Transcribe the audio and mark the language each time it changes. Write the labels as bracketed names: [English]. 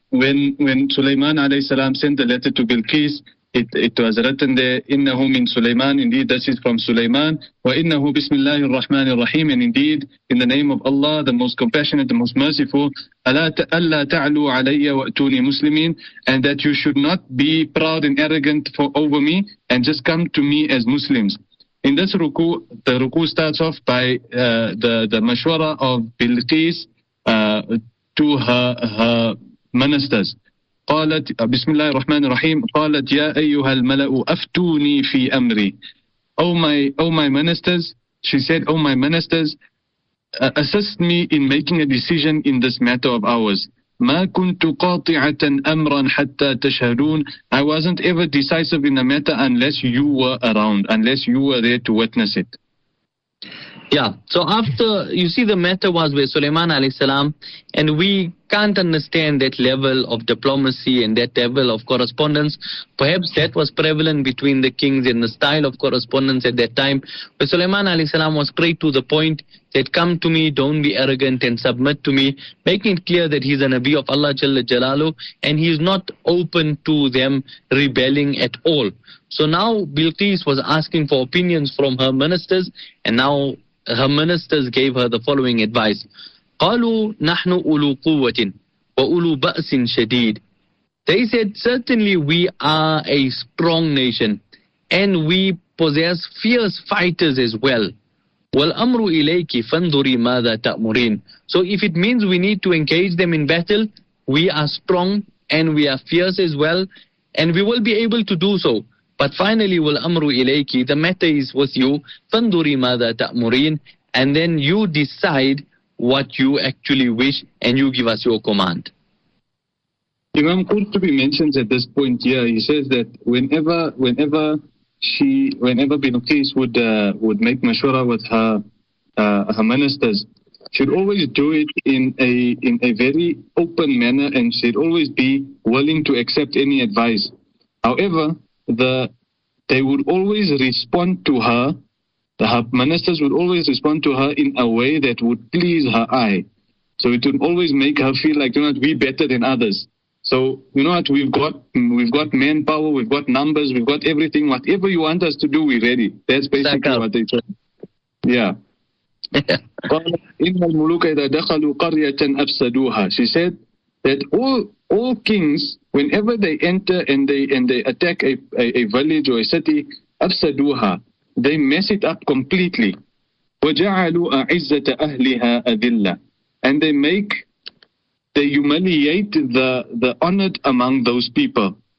[English] When Sulaiman alayhi salam sent the letter to Bilqis, it was written there, [Arabic] innahu min Sulaiman, [English] indeed this is from Sulaiman, [Arabic] wa innahu bismillahir rahmanir rahim, [English] and indeed, in the name of Allah, the most compassionate, the most merciful, [Arabic] alla ta'lu alayya wa atuni muslimin, [English] and that you should not be proud and arrogant over me, and just come to me as Muslims. In this ruku, the ruku starts off by the mashwara of Bilqis to her ministers. [Arabic] قالت بسم الله الرحمن الرحيم قالت يا أيها الملأ أفتوني في أمري. [English] Oh my ministers, she said, oh my ministers, assist me in making a decision in this matter of ours. [Arabic] ما كنت قاطعة أمرا حتى تشهدون. [English] I wasn't ever decisive in the matter unless you were around, unless you were there to witness it. Yeah, so after, you see, the matter was with Sulaiman alayhi salam, and we can't understand that level of diplomacy and that level of correspondence. Perhaps that was prevalent between the kings in the style of correspondence at that time. But Sulaiman alayhi salam was straight to the point, that come to me, don't be arrogant and submit to me, making it clear that he's a Nabi of Allah Jalla Jalalu, and he's not open to them rebelling at all. So now Bilqis was asking for opinions from her ministers, and now her ministers gave her the following advice. [Arabic] قالوا نحن أولو قوة وأولو بأس شديد. [English] They said, certainly we are a strong nation and we possess fierce fighters as well. [Arabic] والأمر إليك فانظري ماذا تأمرين. [English] So if it means we need to engage them in battle, we are strong and we are fierce as well, and we will be able to do so. But finally, [Arabic] وَالْأَمْرُ إِلَيْكِ, [English] the matter is with you, [Arabic] فَانْدُرِي مَاذَا تَأْمُرِينَ, [English] and then you decide what you actually wish and you give us your command. Imam Qurtubi mentions at this point here, he says that whenever Bilqis would make mashura with her ministers, she'd always do it in a very open manner, and she'd always be willing to accept any advice. However, they would always respond to her, the ministers would always respond to her in a way that would please her eye. So it would always make her feel like, you know what, we're better than others. So, you know what, we've got manpower, we've got numbers, we've got everything. Whatever you want us to do, we're ready. That's basically Saka. What they said. Yeah. [Arabic] قال إن الملوك إذا دخلوا قرية أفسدوها. [English] She said that all kings, whenever they enter and they attack a village or a city, أفسدوها, they mess it up completely. [Arabic] وجعلوا أعزة أهلها أذلة, [English] and they humiliate the honored among those people.